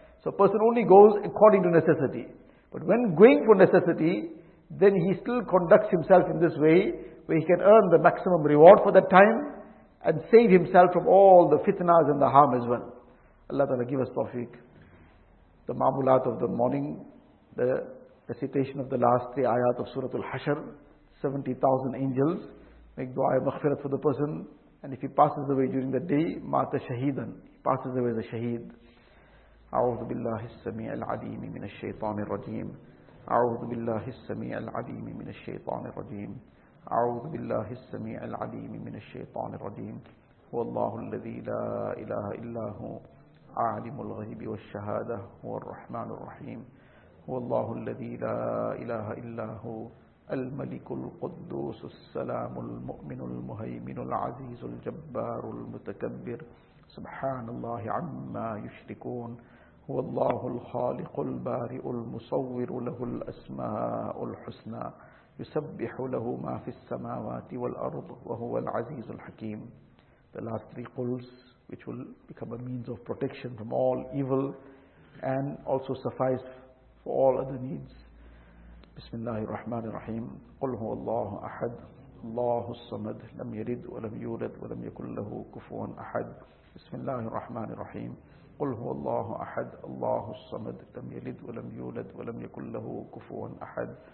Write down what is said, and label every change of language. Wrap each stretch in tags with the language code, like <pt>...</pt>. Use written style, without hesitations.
<en>So a person only goes according to necessity. But when going for necessity, then he still conducts himself in this way, where he can earn the maximum reward for that time and save himself from all the fitnas and the harm as well. Allah Ta'ala give us tawfiq. The ma'mulat of the morning, the recitation of the last three ayat of Surah Al-Hashr, 70,000 angels make dua of maghfirat for the person, and if he passes away during the day, mata shaheedan, he passes away as a shaheed.</en> <ar>أعوذ بالله السميع العليم من الشيطان الرجيم أعوذ بالله السميع العليم من الشيطان الرجيم أعوذ بالله السميع العليم من الشيطان الرجيم هو الله الذي لا إله إلا هو عالم الغيب والشهادة هو الرحمن الرحيم هو الله الذي لا إله إلا هو الملك القدوس السلام المؤمن المهيمن العزيز الجبار المتكبر سبحان الله عما يشركون هو الله الخالق البارئ المصور له الأسماء الحسنى يسبح له ما في السماوات والأرض وهو العزيز الحكيم.</ar> <en>The last three quls, which will become a means of protection from all evil and also suffice for all other needs.</en> <ar>بسم الله الرحمن الرحيم قل هو الله أحد الله الصمد لم يلد ولم يولد ولم يكن له كفوا أحد. بسم الله الرحمن الرحيم قل هو الله أحد الله الصمد لم يلد ولم يولد ولم يكن له كفوا أحد.</ar>